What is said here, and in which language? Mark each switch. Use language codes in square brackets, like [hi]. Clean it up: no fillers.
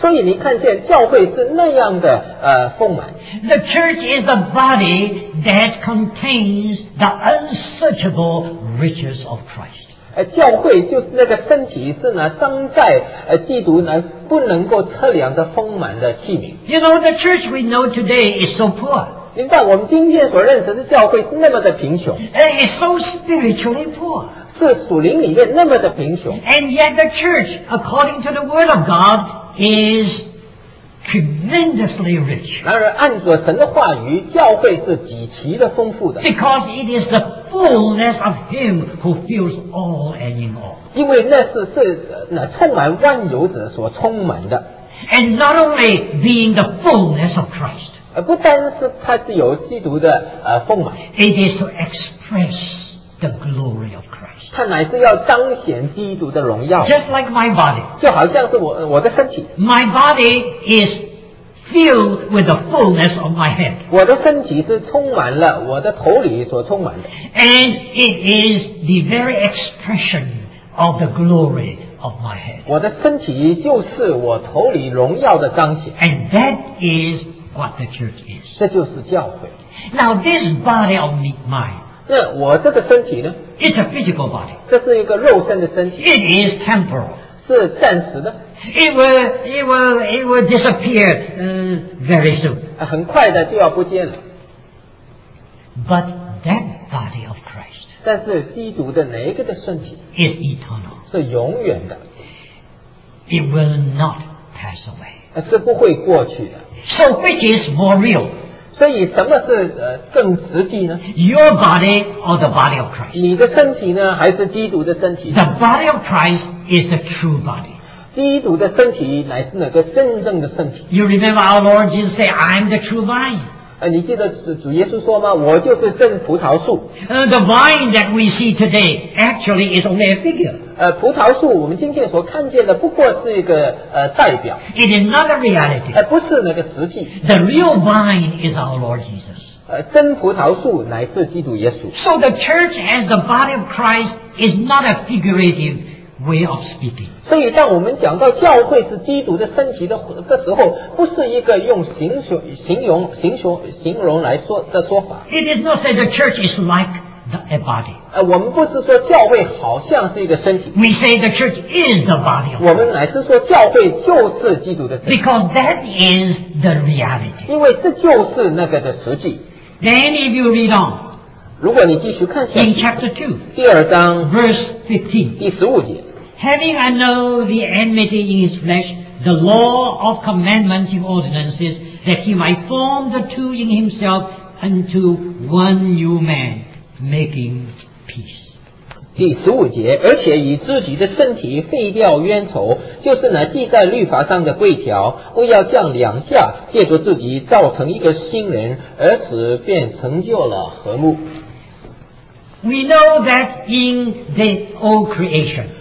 [zh] 所以你看见教会是那样的丰满。 [en] The church is the body that contains the unsearchable riches of Christ. [zh] 教会就是那个身体是呢装载基督呢不能够测量的丰满的器皿。 [en] You know, the church we know today is so poor. [zh] 您看我们今天所认识的教会是那么的贫穷。 [en] And it's so spiritually poor. [zh] 是属灵里面那么的贫穷。 [en] And yet the church, according to the word of God, is tremendously rich. [zh] 然而按着神的话语教会是极其的丰富的。 [en] Because it is the fullness of him who fills all and in all. [zh] 因为那是那充满万有者所充满的。 [en] And not only being the fullness of Christ. [zh] 不单是他是有基督的丰满。 [en] It is to express the glory of Christ. [zh] 他乃是要彰显基督的荣耀。 [en] Just like my body. [zh] 就好像是我的身体。 [en] My body is filled with the fullness of my head. [zh] 我的身体是充满了我的头里所充满的。 [en] And it is the very expression of the glory of my head. [zh] 我的身体就是我头里荣耀的彰显。 [en] And that is what the church is. [zh] 这就是教会。 [en] Now this body of mine, [zh] 那我这个身体呢 [en] It's a physical body. [zh] 这是一个肉身的身体。 [en] It is temporal. [zh] 是暂时的。 [en] It will disappear, very soon. [zh] 很快的就要不见了。 [en] But that body of Christ. [zh] 但是基督的哪一个的身体 [en] is eternal. [zh] 是永远的。 [en] It will not pass away. [zh] 是不会过去的。 [en] So which is more real? [zh] 所以什么是更实际呢 [en] ？Your body or the body of Christ？ [zh] 你的身体呢，还是基督的身体 [en] ？The body of Christ is the true body。 [zh] 基督的身体乃是那个真正的身体。 [en] You remember our Lord Jesus say, "I'm the true vine." [zh] 你记得主耶稣说吗？我就是真葡萄树。 [en] The vine that we see today actually is only a figure。 [zh] 葡萄树我们今天所看见的不过是一个代表。 [en] It is not a reality。 [zh] 不是那个实际。 [en] The real vine is our Lord Jesus。 [zh] 真葡萄树乃是基督耶稣。 [en] So the church as the body of Christ is not a figurative way of speaking。 [zh] 所以当我们讲到教会是基督的身体的时候，不是一个用形容来说的说法。 [en] It is not say the church is like. A body. [zh] 我们不是说教会好像是一个身体。 [en] We say the church is the body. [zh] 我们乃是说教会就是基督的身体。 [en] Because that is the reality. [zh] 因为这就是那个的实际。 [en] Then if you read on, [zh] 如果你继续看下去。 [en] In chapter 2, [zh] 第二章 [en] verse 15, [zh] 第十五节。 [en] Having I know the enmity in his flesh, the law of commandments and ordinances, that he might form the two in himself unto one new man. Making peace. [zh] 第十五节，而且以自己的身体废掉冤仇，就是那记在律法上的规条，为要将两下借助自己造成一个新人，而此便成就了和睦。 [en] We know that in the old creation,